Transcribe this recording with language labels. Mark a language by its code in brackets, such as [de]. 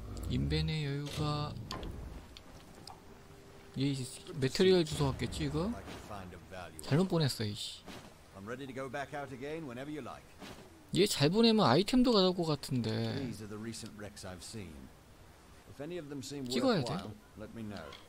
[ko] 인벤의 여유가 얘 메테리얼 주워 왔겠지 이거? 잘못 보냈어, 이씨. [en] I'm ready to go back out again whenever you like. [ko] 얘 잘 보내면 아이템도 가져올 것 같은데. [en] These are the recent wrecks I've seen. If any of them seem worthwhile, let me know.